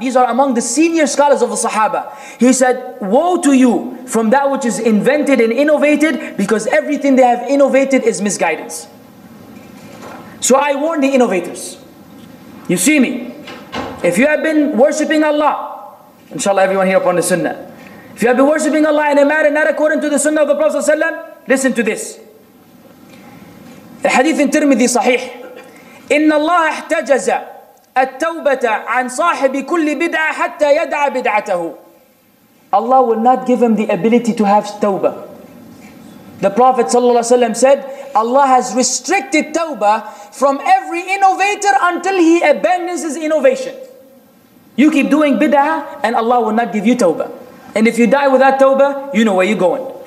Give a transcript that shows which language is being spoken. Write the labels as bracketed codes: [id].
[en] These are among the senior scholars of the Sahaba. He said, woe to you from that which is invented and innovated, because everything they have innovated is misguidance. So I warn the innovators. You see me? If you have been worshipping Allah, inshallah everyone here upon the sunnah. If you have been worshipping Allah in a manner not according to the sunnah of the Prophet ﷺ, listen to this. The hadith in Tirmidhi sahih. [ar] إن الله احتجز التوبة عن صاحب كل بدعة حتى يدع بدعته. [en] Allah will not give him the ability to have tawbah. The Prophet ﷺ said, Allah has restricted tawbah from every innovator until he abandons his innovation. You keep doing bid'ah and Allah will not give you tawbah. And if you die without tawbah, you know where you're going.